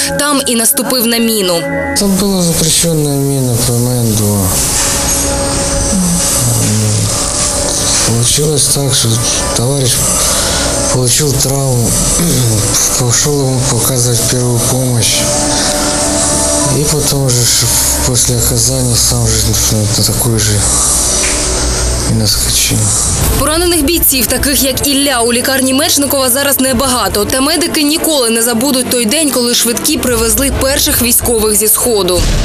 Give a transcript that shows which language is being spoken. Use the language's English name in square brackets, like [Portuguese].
[Ukrainian] Там і наступив на міну. Там була запрещена міна ПМН-2. Вийшло так, що товариш отримав травму, пішов йому показувати першу допомогу. [Russian] И потом уже, после оказания, сам же на такой же и наскочил. [Ukrainian] Поранених бійців, таких як Ілля, у лікарні Мечникова зараз небагато. Та медики ніколи не забудуть той день, коли швидкі привезли перших військових зі сходу.